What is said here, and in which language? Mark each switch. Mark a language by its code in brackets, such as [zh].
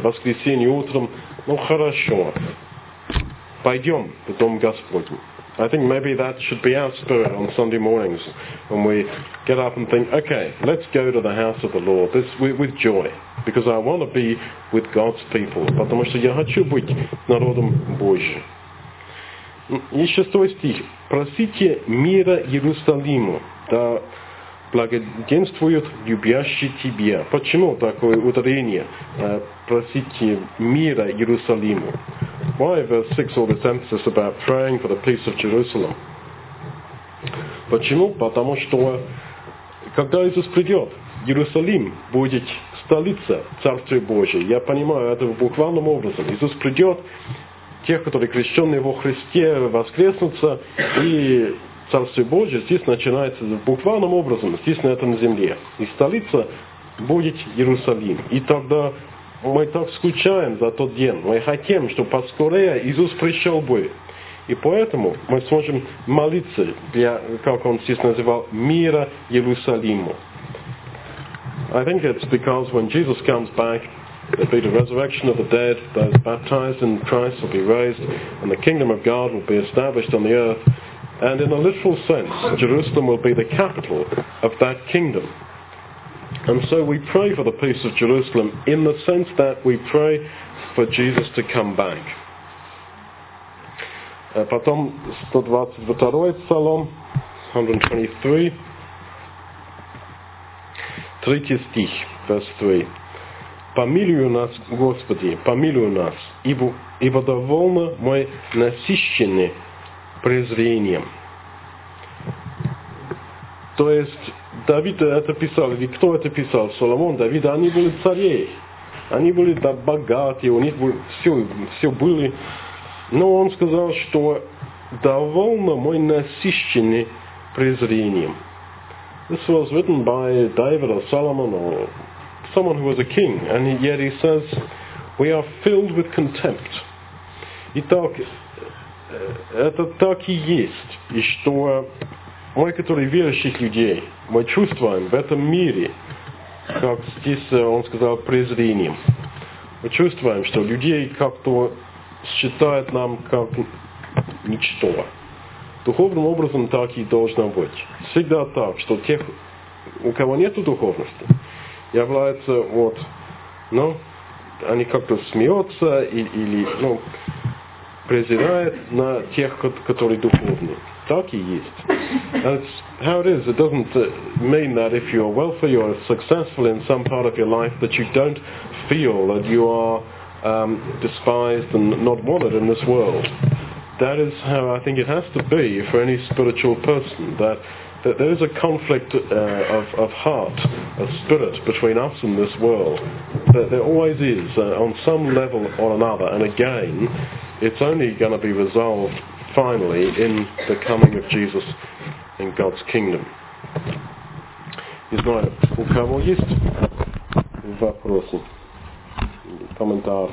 [ru] В воскресенье утром, ну хорошо, пойдем в дом Господень. [en] I think maybe that should be our spirit on Sunday mornings, when we get up and think, okay, let's go to the house of the Lord, this with joy, because I want to be with God's people, [ru] потому что я хочу быть народом Божьим. И шестой стих. Просите мира Иерусалиму, да благоденствует любящий тебя. Почему такое ударение? Просите мира Иерусалиму. [en] Why verse 6 all this emphasis about praying for the peace of Jerusalem? [ru] Почему? Потому что когда Иисус придет, Иерусалим будет столица Царствия Божия. Я понимаю это в буквальном образом. Иисус придет, тех, которые крещены во Христе, воскреснутся, и Царствие Божие здесь начинается буквальным образом, здесь, на этом земле. И столица будет Иерусалим. И тогда мы так скучаем за тот день. Мы хотим, чтобы поскорее Иисус пришел бы. И поэтому мы сможем молиться для, как он здесь называл, мира Иерусалиму. [en] I think it's because when Jesus comes back, there'll be the resurrection of the dead, those baptized in Christ will be raised, and the kingdom of God will be established on the earth. And in a literal sense, Jerusalem will be the capital of that kingdom. And so we pray for the peace of Jerusalem in the sense that we pray for Jesus to come back. [ru] Потом 122 Псалом, 123, 3 стих, [en] verse 3. [ru] Помилуй нас, Господи, помилуй нас, ибо довольно мы насыщены презрением. То есть, Давид это писал, или кто это писал, Соломон, Давид, они были царей. Они были да, богатые, у них были, все были. Но он сказал, что довольно мы насыщены презрением. [en] This was written by David or Solomon or someone who was a king. And yet he says, we are filled with contempt. [ru] Итак, это так и есть. И что мы, которые верующих людей, мы чувствуем в этом мире, как здесь он сказал, презрением. Мы чувствуем, что людей как-то считают нам как ничто. Духовным образом так и должно быть. Всегда так, что тех, у кого нет духовности, являются вот, ну, они как-то смеются или, ну, презирают на тех, которые духовны. Так и есть. [en] That's how it is. It doesn't mean that if you're wealthy or successful in some part of your life that you don't feel that you are despised and not wanted in this world. That is how I think it has to be for any spiritual person, that there is a conflict of heart, of spirit, between us and this world. That there always is, on some level or another, and again, it's only going to be resolved finally in the coming of Jesus in God's kingdom. [ru] Не знаю, у кого есть вопросы, комментарии?